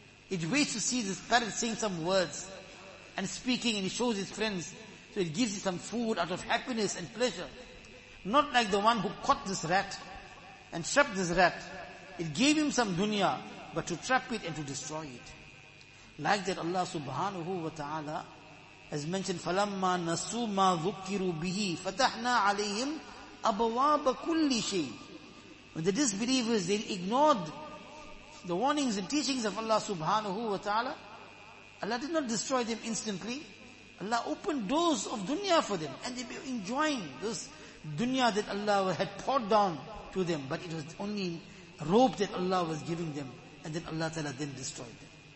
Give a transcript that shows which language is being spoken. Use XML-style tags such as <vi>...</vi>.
<en>It waits to see this parrot saying some words and speaking, and he shows his friends. So it gives it some food out of happiness and pleasure. Not like the one who caught this rat and trapped this rat. It gave him some dunya, but to trap it and to destroy it. Like that Allah subhanahu wa ta'ala has mentioned,</en> <ar>فَلَمَّا نَسُوا مَا ذُكِّرُوا بِهِ فَتَحْنَا عَلَيْهِمْ أَبْوَابَ كُلِّ شَيْءٍ.</ar> <en>When the disbelievers, they ignored the warnings and teachings of Allah subhanahu wa ta'ala, Allah did not destroy them instantly. Allah opened doors of dunya for them, and they were enjoying this dunya that Allah had poured down to them, but it was only rope that Allah was giving them, and then Allah Ta'ala then destroyed them.</en>